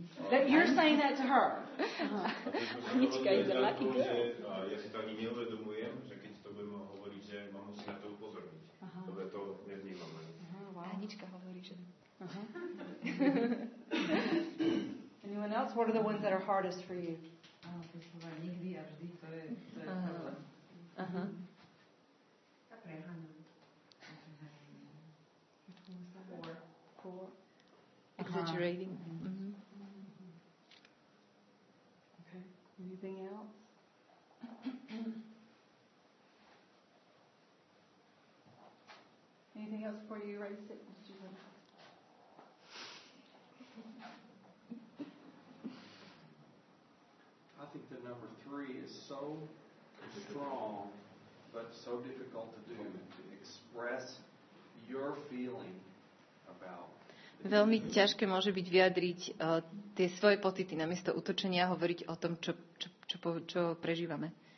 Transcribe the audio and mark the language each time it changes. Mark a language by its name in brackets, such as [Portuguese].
[English] That you're saying that to her. Anička, you're lucky girl. [Slovak] Ja si to ani neuvedomujem, že keď to budem hovoriť, že mám si na to upozorniť. Lebo to nevnímam ani. Anička hovorí, že... [English] Anyone else? What are the ones that are hardest for you? [Slovak] Nikdy a vždy, to je... Aha. A prehaňa. Core. [English] Exaggerating. Anything else? Anything else before you erase it? I think that number three is so strong, but so difficult to do, to express your feeling about. [Slovak] Veľmi ťažké môže byť vyjadriť tie svoje pocity namiesto utočenia hovoriť o tom, čo prežívame.